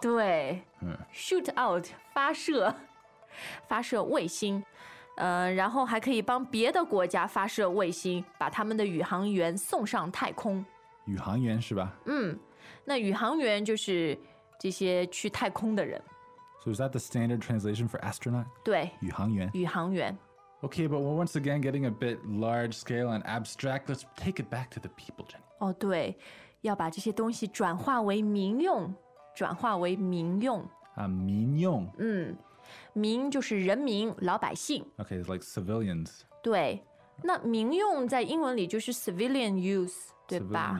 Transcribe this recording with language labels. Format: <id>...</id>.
<zh>对。</zh> <en>Shoot out，</en> <zh>发射，发射卫星。然后还可以帮别的国家发射卫星，把他们的宇航员送上太空。宇航员是吧？嗯，那宇航员就是这些去太空的人。</zh> <en>So is that the standard translation for astronaut?</en> <zh>对，宇航员。宇航员。</zh> <en>Okay, but we're once again getting a bit large scale and abstract. Let's take it back to the people, Jenny.</en> <zh>哦，对，要把这些东西转化为民用，转化为民用。啊，民用。嗯。民就是人民老百姓</zh> <en>Okay, it's like civilians</en> <zh>对那民用在英文里就是 civilian use 对吧</zh>